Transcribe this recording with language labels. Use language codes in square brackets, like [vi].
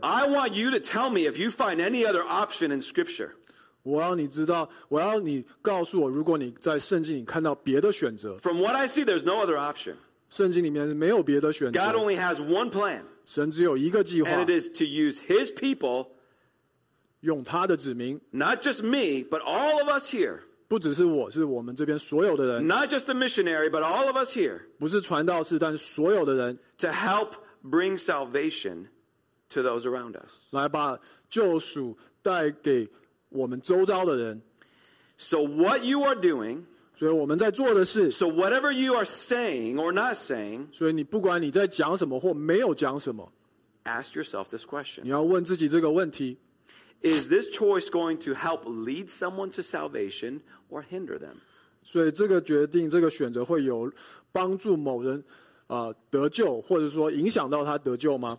[en] I want you to tell me if you find any other option in Scripture. [zh] 我要你知道, 我要你告诉我, 如果你在圣经里看到别的选择, [en] from what I see, there's no other option. God only has one plan. [zh] 神只有一个计划, [en] and it is to use His people, [zh] 用他的子民, [en] not just me, but all of us here. [zh] 不只是我, 是我们这边所有的人, [en] not just the missionary, but all of us here. [zh] 不是传道士, 但是所有的人, [en] to help bring salvation to those around us. [zh] 来把救赎带给我们周遭的人。 [en] So what you are doing, so whatever you are saying or not saying, [zh] 所以你不管你在讲什么或没有讲什么, [en] ask yourself this question. [zh] 你要问自己这个问题, [en] is this choice going to help lead someone to salvation or hinder them? [zh] 所以这个决定, 这个选择会有帮助某人, 得救, 或者说影响到他得救吗?